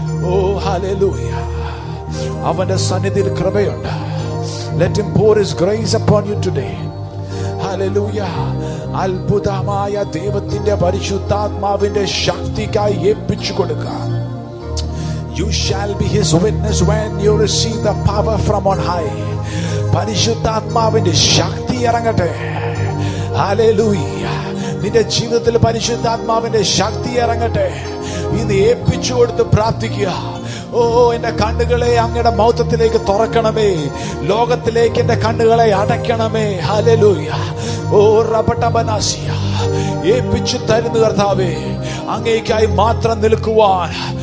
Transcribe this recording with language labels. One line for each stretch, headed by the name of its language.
Malayalam: ഓ hallelujah, അവൻ്റെ സന്നിധിയിൽ കൃപയുണ്ട്.
English: Let him pour his grace upon you today.
Malayalam: Hallelujah, അത്ഭുതമായ ദൈവത്തിൻ്റെ പരിശുദ്ധാത്മാവിൻ്റെ ശക്തിക്കായി ഏൽപ്പിച്ചു കൊടുക്കുക.
English: You shall be his witness when you receive the power from on high.
Malayalam: പരിശുദ്ധാത്മാവിന്റെ ശക്തി ഇറങ്ങട്ടെ. ഹല്ലേലൂയ, നിന്റെ ജീവിതത്തിൽ പരിശുദ്ധാത്മാവിന്റെ ശക്തി ഇറങ്ങട്ടെ. ഇന്ന് ഏൽപ്പിച്ചു കൊടുത്ത് പ്രാർത്ഥിക്കുക. ഓ, എന്റെ കണ്ണുകളെ അങ്ങയുടെ മൗത്തത്തിലേക്ക് തുറക്കണമേ. ലോകത്തിലേക്ക് എന്റെ കണ്ണുകളെ അടയ്ക്കണമേ. ഹല്ലേലൂയ, ഓ റബട്ടബനാസിയ, ഏൽപ്പിച്ചു തരുന്നു കർത്താവേ, അങ്ങേക്കായി മാത്രം നിൽക്കുവാൻ.